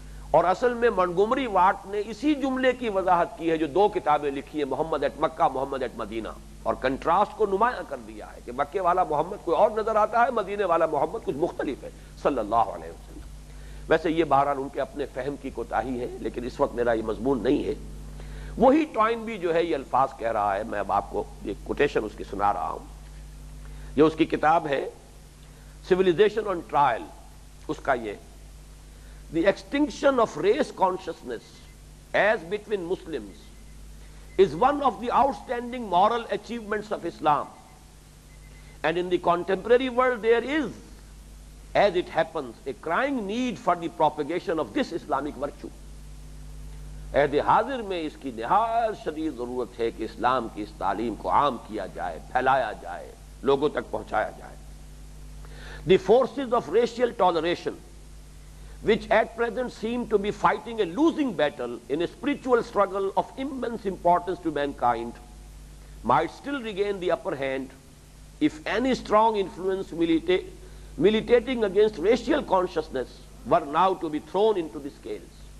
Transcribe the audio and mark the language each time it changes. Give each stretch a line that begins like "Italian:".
Urdu: اور اصل میں منٹگومری واٹ نے اسی جملے کی وضاحت کی ہے جو دو کتابیں لکھی ہیں، محمد at Mecca, Muhammad at Medina, اور کنٹراسٹ کو نمایاں کر دیا ہے کہ مکے والا محمد کوئی اور نظر آتا ہے، مدینے والا محمد کچھ مختلف ہے صلی اللہ علیہ وسلم. ویسے یہ بہرحال ان کے اپنے فہم کی کوتاہی ہے، لیکن اس وقت میرا یہ مضمون نہیں ہے. وہی ٹوائن بھی جو ہے یہ الفاظ کہہ رہا ہے، میں اب آپ کو یہ کوٹیشن اس کی سنا رہا ہوں. یہ اس کی کتاب ہے سیولائزیشن آن ٹرائل، اس کا یہ
English: The extinction of race consciousness as between Muslims is one of the outstanding moral achievements of Islam. And in the contemporary world there is, as it happens, a crying need for the propagation of this Islamic virtue.
Urdu: عہدِ حاضر میں اس کی نہایت شدید ضرورت ہے کہ اسلام کی اس تعلیم کو عام کیا جائے، پھیلایا جائے، لوگوں تک پہنچایا جائے.
English: The forces of racial toleration which at present seem to be fighting a losing battle in a spiritual struggle of immense importance to mankind might still regain the upper hand if any strong influence militating against racial consciousness were now to be thrown into the scales.